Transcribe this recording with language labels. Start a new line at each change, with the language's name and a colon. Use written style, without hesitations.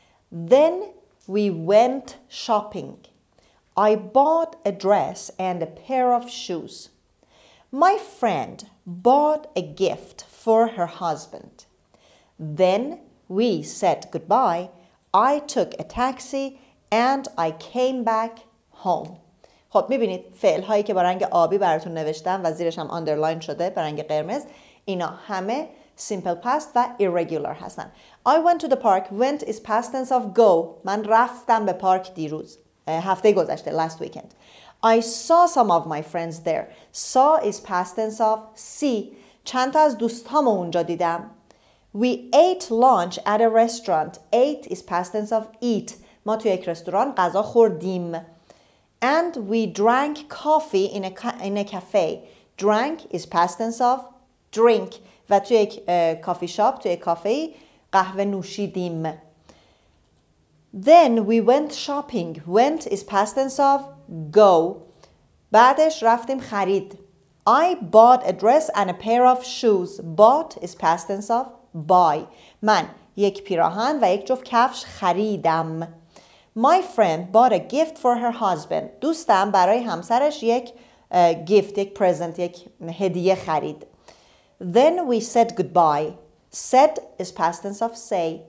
English: Then we went shopping. I bought a dress and a pair of shoes. My friend bought a gift for her husband. Then we said goodbye. I took a taxi and I came back home.
Persian: خب میبینید فعل هایی که با رنگ آبی براتون نوشتم و زیرش هم underline شده با رنگ قرمز، اینا همه simple past و irregular هستن.
English: I went to the park. Went is past tense of go.
Persian: من رفتم به پارک دیروز، هفته گذشته،
English: last weekend. I saw some of my friends there. Saw is past tense of see.
Persian: چند تا از دوستامو اونجا دیدم.
English: We ate lunch at a restaurant. Ate is past tense of eat. ما توی یک رستوران غذا خوردیم. And we drank coffee in a cafe. Drank is past tense of drink.
Persian: و توی یک کافی شاپ، توی یک کافه قهوه نوشیدیم.
English: Then we went shopping. Went is past tense of go.
Persian: بعدش رفتیم خرید.
English: I bought a dress and a pair of shoes. Bought is past tense of buy.
Persian: من یک پیراهن و یک جفت کفش خریدم.
English: My friend bought a gift for her husband.
Persian: دوستم برای همسرش یک gift، یک present، یک هدیه خرید.
English: Then we said goodbye. Said is past tense of say.